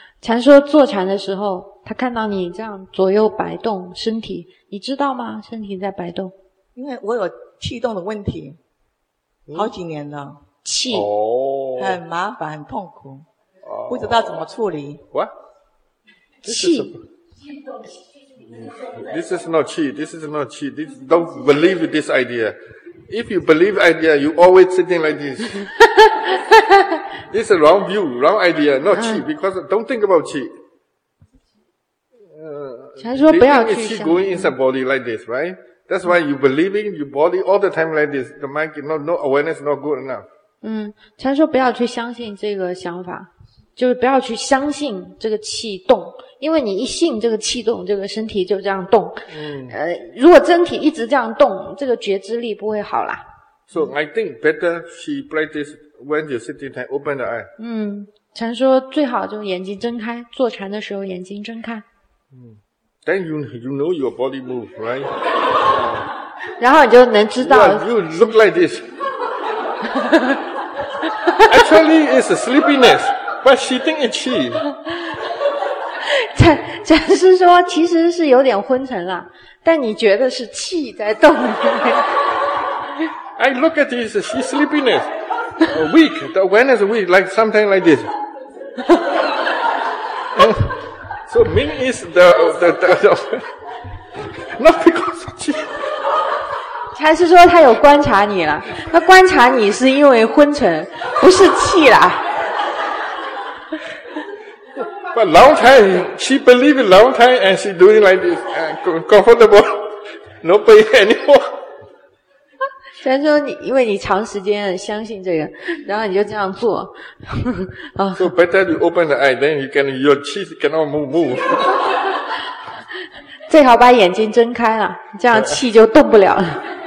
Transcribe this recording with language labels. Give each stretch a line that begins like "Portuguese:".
Chinese: 禅说坐禅的时候，他看到你这样左右摆动身体，你知道吗？身体在摆动。因为我有气动的问题，好几年了。气很麻烦，很痛苦，不知道怎么处理。
English: What?
Chinese: 气。
English: This is not 气.This is not 气.This don't believe this idea. If you believe idea, you always sitting like this. This is a wrong view, wrong idea, not 气. Because don't think about 气.
Chinese: 禅说不要去想。
English: 气 going inside body like this, right? That's why you believing your body all the time like this. The mind cannot, no awareness, not good enough.
Chinese: 禅说不要去相信这个想法，就是不要去相信这个气动，因为你一信这个气动，这个身体就这样动。如果身体一直这样动，这个觉知力不会好啦。
English: So I think better she practice when you're sitting time, open the eye.
Chinese: 禅说最好就眼睛睁开，坐禅的时候眼睛睁开。
English: Then you know your body move, right?
Chinese: 然后你就能知道。
English: You look like this. Actually, it's a sleepiness, but she think it's she.
Chinese: 禅师说，其实是有点昏沉了，但你觉得是气在动。
English: I look at this, she's sleepiness, weak, the awareness weak, like something like this. So Ming is the not because of Qi.
Chinese: 禅师说他有观察你了，他观察你是因为昏沉，不是气啦。
English: But long time, she believe in long time, and she doing like this, comfortable, no pain anymore.
Chinese: 禅师说你因为你长时间相信这个，然后你就这样做。
English: So better you open the eye, then you can your Qi cannot move.
Chinese: 最好把眼睛睁开了，这样气就动不了了。